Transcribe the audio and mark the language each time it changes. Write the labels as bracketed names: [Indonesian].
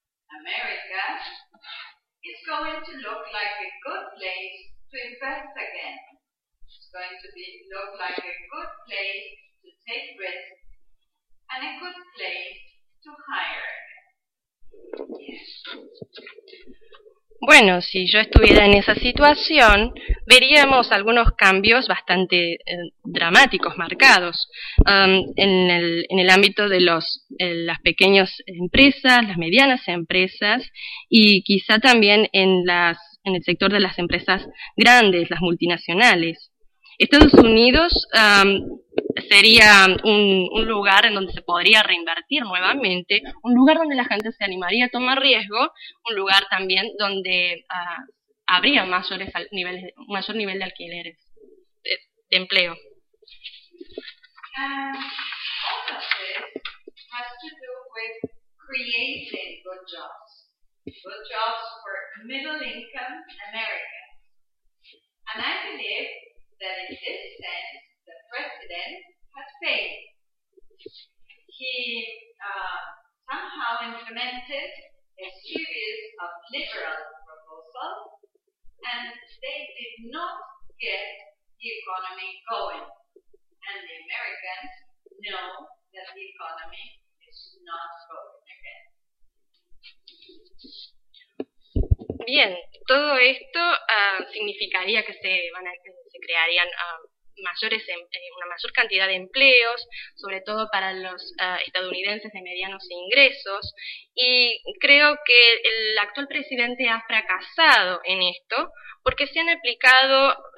[English] America is going to look like a good place to invest again. It's going to look like a good place to take risks and a good place to hire again. Yes. [Spanish] Bueno, si yo estuviera en esa situación, veríamos algunos cambios bastante dramáticos, marcados, en el ámbito de las pequeñas empresas, las medianas empresas, y quizá también en el sector de las empresas grandes, las multinacionales. Estados Unidos sería un lugar en donde se podría reinvertir nuevamente, un lugar donde la gente se animaría a tomar riesgo, un lugar también donde habría mayor nivel de alquileres, de empleo. [English] All of this has to do with creating good jobs for middle-income Americans. And I believe that in this sense, the president has failed. He somehow implemented a series of liberal proposals, and they did not get the economy going. And the Americans know that the economy is not going again. [Spanish] Bien, todo esto significaría que se crearían una mayor cantidad de empleos, sobre todo para los estadounidenses de medianos ingresos, y creo que el actual presidente ha fracasado en esto, porque se han aplicado